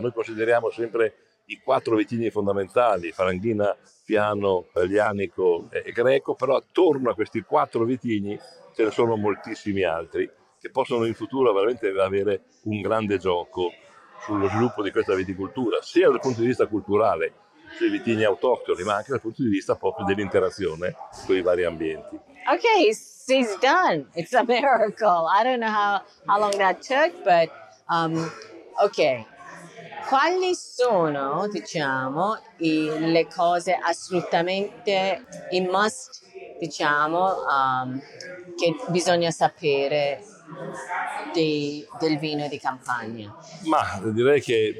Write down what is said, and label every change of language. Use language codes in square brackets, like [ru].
[it] Noi consideriamo sempre i 4 vitigni fondamentali, Faranghina, Fiano, Lianico e Greco, però attorno a questi 4 vitigni ce ne sono moltissimi altri che possono in futuro veramente avere un grande gioco sullo sviluppo di questa viticoltura, sia dal punto di vista culturale, sui vitigni autoctoni, ma anche dal punto di vista proprio dell'interazione con i vari ambienti. [en] Ok, it's done. It's a miracle. I don't know how long that took, but ok. [it] Quali sono, diciamo, le cose assolutamente in must, diciamo, che bisogna sapere del vino di Campania? Ma direi che...